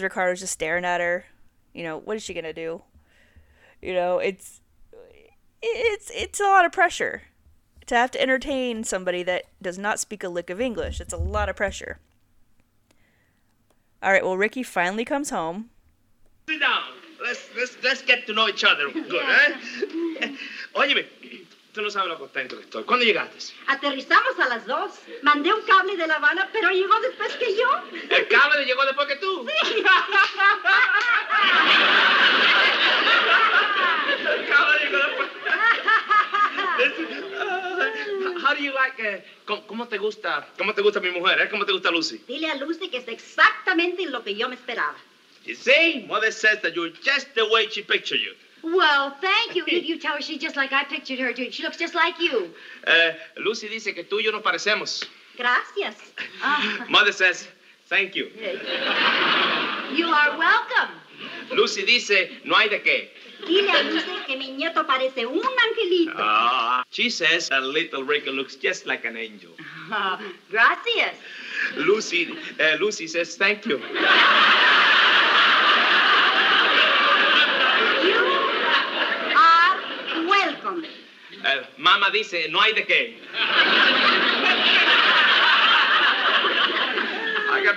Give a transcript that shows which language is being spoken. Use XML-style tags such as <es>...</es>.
<en>Ricardo's just staring at her. You know, what is she going to do? You know, it's a lot of pressure to have to entertain somebody that does not speak a lick of English. It's a lot of pressure. All right, well, Ricky finally comes home. Sit down. Let's get to know each other good, eh?</en> <es>Óyeme, tú no sabes lo contento que estoy. ¿Cuándo llegaste? Aterrizamos a las dos. Mandé un cable de La Habana, pero llegó después que yo. ¿El cable llegó después que tú? Sí. El cable llegó después.</es> <en>How do you like,</en> <es>¿cómo te gusta mi mujer, eh? ¿Cómo te gusta Lucy? Dile a Lucy que es exactamente lo que yo me esperaba.</es> <en>You see? Mother says that you're just the way she pictured you. Well, thank you. You tell her she's just like I pictured her, dude. She looks just like you.</en> <es>Lucy dice que tú y yo nos parecemos. Gracias.</es> <en>Mother says, thank you. You are welcome.</en> <es>Lucy dice, no hay de qué. Dile a Lucy que mi nieto parece un angelito.</es> <en>She says that little Ricky looks just like an angel.</en> <es>Gracias.</es> <en>Lucy says thank you. You are welcome.</en> <es>Mama dice, no hay de qué.</es> <en>I got</en>